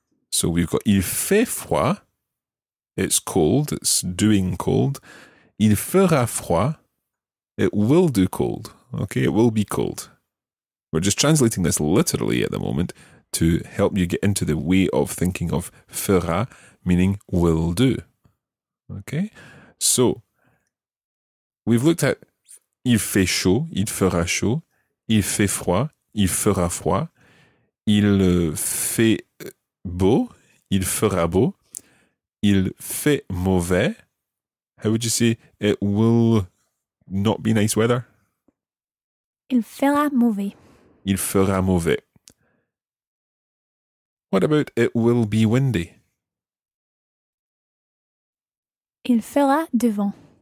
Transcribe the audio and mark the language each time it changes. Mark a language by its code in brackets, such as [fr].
[en] So we've got [fr] il fait froid. [en] It's cold. It's doing cold. [fr] Il fera froid. [en] It will do cold. Okay, it will be cold. We're just translating this literally at the moment to help you get into the way of thinking of fera, meaning will do. Okay, so we've looked at [fr] il fait chaud, il fera chaud, il fait froid, il fera froid, il fait beau, il fera beau, il fait mauvais. [en] How would you say it will not be nice weather? [fr] Il fera mauvais. Il fera mauvais. [en] What about it will be windy? [fr] Il fera du vent.